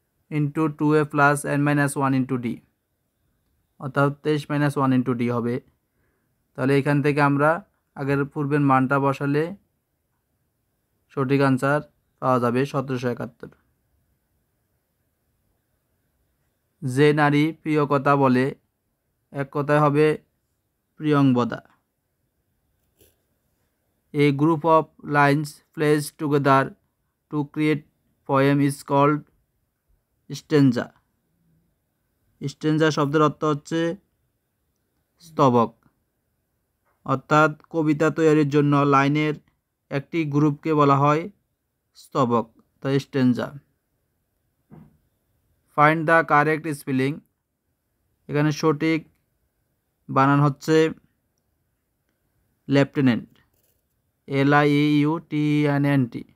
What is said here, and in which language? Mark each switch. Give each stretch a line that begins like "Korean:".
Bangla: × 2a+n-1×d অর্থাৎ 23-1×d হবে তাহলে এখান থেকে আমরা আগের পূর্বের মানটা বসালে সঠিক আনসার পাওয়া যাবে 1771 যে নারী প্রিয় কথা বলে এক কথায় হবে Priyamvada
English: A group of lines placed together to create poem is called stanza.
Bangla: Stanza শব্দের অর্থ হচ্ছে স্তবক, অর্থাৎ কবিতা তৈরির জন্য লাইনের একটি গ্রুপকে বলা হয় স্তবক, তাই stanza.
English: find the correct spelling,
Bangla: এখানে সঠিক বানান হচ্ছে লেফটেন্যান্ট, LIEUTENANT।